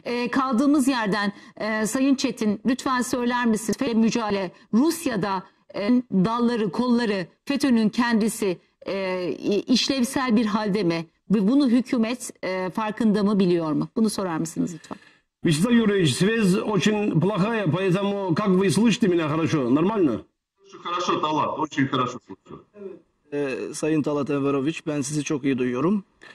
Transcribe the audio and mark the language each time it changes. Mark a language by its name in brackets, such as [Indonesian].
[Turkish] Kaldığımız yerden Sayın Çetin, lütfen söyler misiniz? FETÖ mücadele, Rusya'da dalları, kolları, FETÖ'nün kendisi işlevsel bir halde mi? Ve bunu hükümet farkında mı, biliyor mu? Bunu sorar mısınız lütfen? [Russian] Vyacheslav Юрьевич, связь очень плохая, поэтому как вы слышите меня хорошо? Нормально? Хорошо, Талат, очень хорошо слышу. [Turkish] Sayın Talat Enverovic, ben sizi çok iyi duyuyorum.